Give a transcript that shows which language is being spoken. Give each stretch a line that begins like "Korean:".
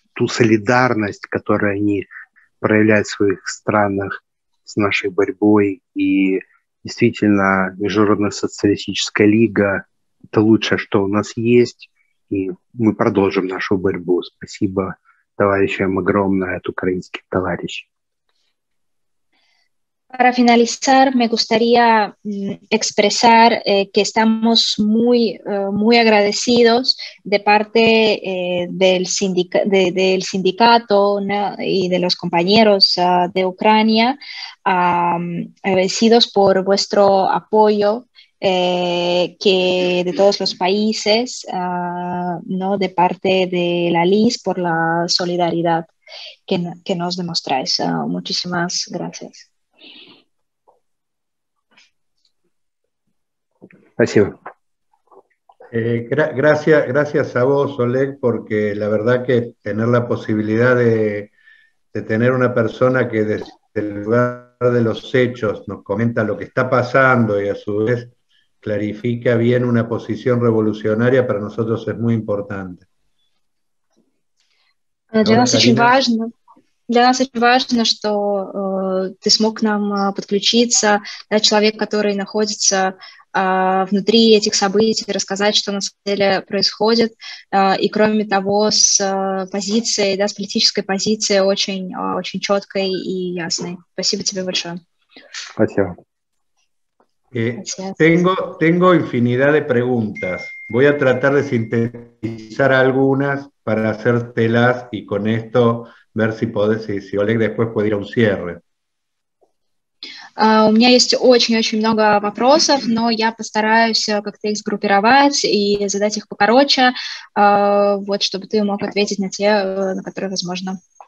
Russian: ту солидарность, которую они проявляют в своих странах с нашей борьбой. И действительно, Международная социалистическая лига – это лучшее, что у нас есть. И мы продолжим нашу борьбу. Спасибо товарищам огромное от украинских товарищей.
Spanish: Para finalizar, me gustaría expresar que estamos muy, muy agradecidos de parte del, del sindicato, ¿no? Y de los compañeros de Ucrania, agradecidos por vuestro apoyo, que de todos los países, ¿no? De parte de la LIS, por la solidaridad que nos demostráis. Muchísimas gracias.
Russian: Спасибо.
Spanish: Gracias a vos, Oleg, porque la verdad que tener la posibilidad de tener una persona que desde el lugar de los hechos nos comenta lo que está pasando y a su vez clarifica bien una posición revolucionaria para nosotros es muy importante.
Russian: Для нас очень важно, что ты смог к нам подключиться, да, человек, который находится внутри этих событий, рассказать, что на самом деле происходит. И кроме того, с позицией, да, с политической позицией очень, очень четкой и ясной. Спасибо тебе большое. Спасибо.
Spanish: Tengo infinidad de preguntas. Voy a tratar de sintetizar algunas para hacértelas y con esto ver si podés, si Oleg después puede ir a un cierre.
Russian: У меня есть очень-очень много вопросов, но я постараюсь как-то их сгруппировать и задать их покороче, вот чтобы ты мог ответить на те, на которые возможно.